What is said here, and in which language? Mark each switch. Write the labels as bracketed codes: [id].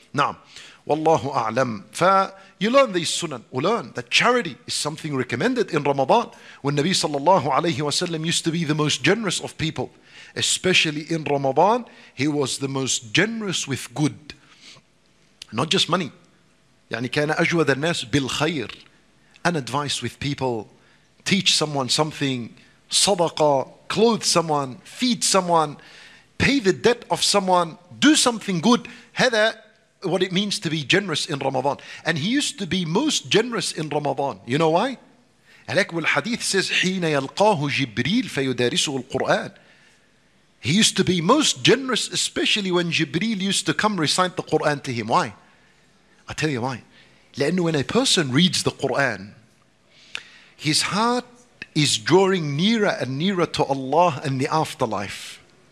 [en] Now, wallahu a'lam. You learn these sunan. We learn that charity is something recommended in Ramadan, when Nabi sallallahu alayhi wa sallam used to be the most generous of people. Especially in Ramadan, he was the most generous with good. Not just money. [ar] يعني كان أجود الناس بالخير. [en] And advice with people. Teach someone something. Sadaqa. Clothe someone. Feed someone. Pay the debt of someone. Do something good. [ar] هذا [en] what it means to be generous in Ramadan. And he used to be most generous in Ramadan. You know why? Al hadith says, [ar] حين يلقاه جبريل فيدارسه القرآن. [en] He used to be most generous, especially when Jibreel used to come recite the Quran to him. Why? I'll tell you why. [ar] لأن [en] when a person reads the Quran, his heart is drawing nearer and nearer to Allah and the afterlife.